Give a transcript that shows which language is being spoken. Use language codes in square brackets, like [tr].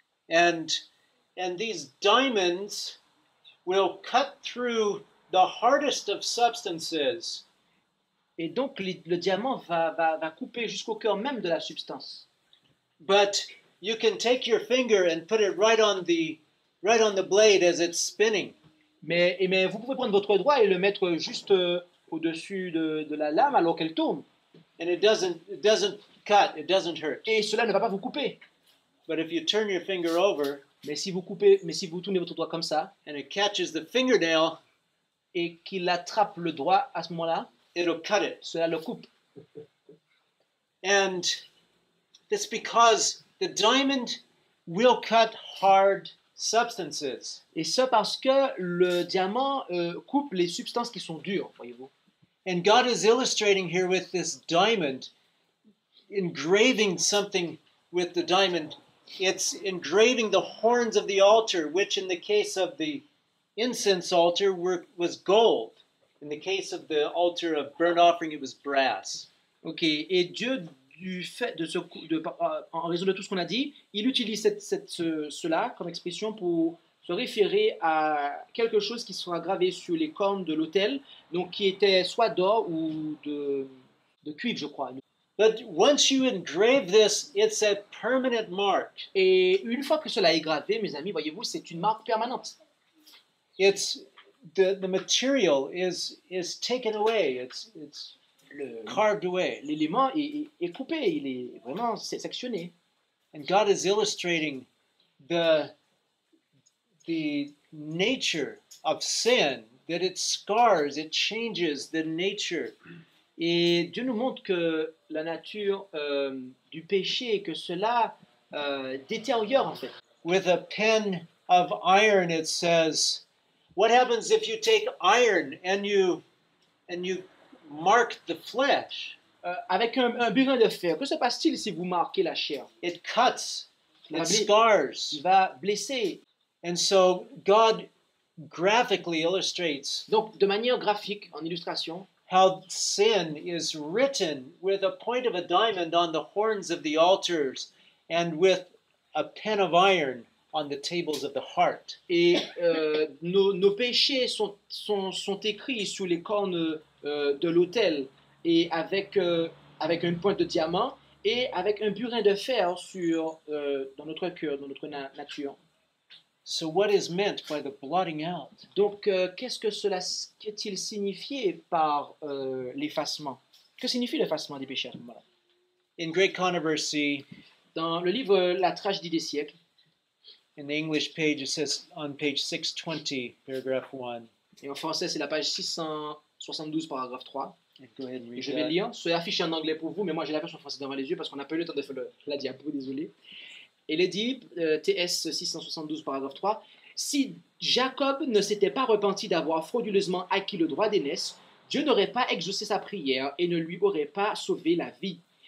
[en] And these diamonds will cut through the hardest of substances. [fr] Et donc le diamant va couper jusqu'au cœur même de la substance. [en] But you can take your finger and put it right on the blade as it's spinning. [fr] Mais vous pouvez prendre votre doigt et le mettre juste au-dessus de la lame alors qu'elle tombe. [en] And it doesn't cut, it doesn't hurt. [fr] Et cela ne va pas vous couper. [en] But if you turn your finger over, [fr] mais si vous tournez votre doigt comme ça, [en] and it catches the fingernail, [fr] et qu'il attrape le doigt à ce moment-là, [en] it'll cut it. [fr] Cela le coupe. [en] And that's because the diamond will cut hard substances. [fr] Et ce parce que le diamant coupe les substances qui sont dures, voyez-vous. [en] And God is illustrating here with this diamond, engraving something with the diamond. It's engraving the horns of the altar, which in the case of the incense altar was gold. In the case of the altar of burnt offering, it was brass. [fr] Ok, et Dieu, du fait de en raison de tout ce qu'on a dit, il utilise cela comme expression pour se référer à quelque chose qui sera gravé sur les cornes de l'autel, donc qui était soit d'or ou de cuivre, je crois. [en] But once you engrave this, it's a permanent mark. [fr] Et une fois que cela est gravé, mes amis, voyez-vous, c'est une marque permanente. [en] It's the material is taken away. It's carved away. [fr] L'élément est coupé. Il est vraiment sectionné. [en] And God is illustrating the nature of sin, that it scars, it changes the nature. [fr] Et Dieu nous montre que la nature du péché, que cela détériore en fait. [en] With a pen of iron, it says, what happens if you take iron and you mark the flesh? [fr] Avec un burin de fer, que se passe-t-il si vous marquez la chair? [en] It cuts, it scars. [fr] Il va blesser. [en] And so God graphically illustrates. [fr] Donc de manière graphique, en illustration. [en] How sin is written with a point of a diamond on the horns of the altars and with a pen of iron on the tables of the heart. [fr] Et nos péchés sont écrits sous les cornes de l'autel et avec une pointe de diamant et avec un burin de fer dans notre cœur, dans notre nature. [en] So what is meant by the blotting out? [fr] Donc qu'est-il signifié par l'effacement? Que signifie l'effacement des péchés? Voilà. [en] In Great Controversy, [fr] dans le livre La Tragédie des siècles, [en] in the English page it says on page 620, paragraph 1. [fr] Et en français c'est la page 672, paragraphe 3. [en] Go ahead and read [fr] Je vais lire. C'est affiché en anglais pour vous, mais moi j'ai la version française devant les yeux parce qu'on n'a pas eu le temps de faire la diapo, désolé. Et il est dit, TS 672, paragraphe 3, « Si Jacob ne s'était pas repenti d'avoir frauduleusement acquis le droit d'aînesse, Dieu n'aurait pas exaucé sa prière et ne lui aurait pas sauvé la vie.